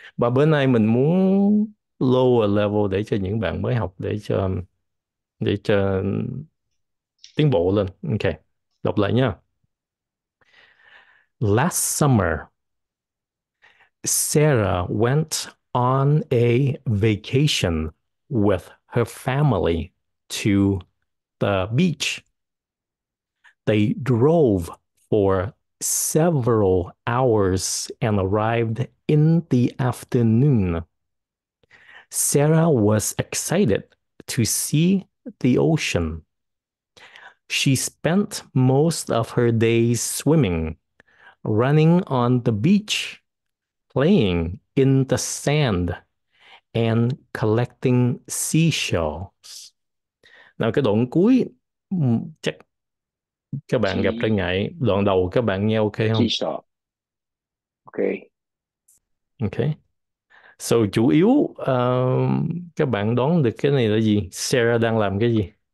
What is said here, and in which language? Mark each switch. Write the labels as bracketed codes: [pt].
[vi] Và bữa nay mình muốn lower level để cho những bạn mới học để cho tiến bộ lên. Ok. Đọc lại nha. [en] Last summer, Sarah went on a vacation with her family to the beach. They drove for several hours and arrived in the afternoon. Sarah was excited to see the ocean. She spent most of her days swimming, running on the beach, playing in the sand, and collecting seashells. [vi] Nào cái đoạn cuối chắc các bạn gặp trở Chị ngại, đoạn đầu các bạn nghe ok không? sợ. Ok. Ok. So chủ yếu các bạn đoán được cái này là gì? Sarah đang làm cái gì?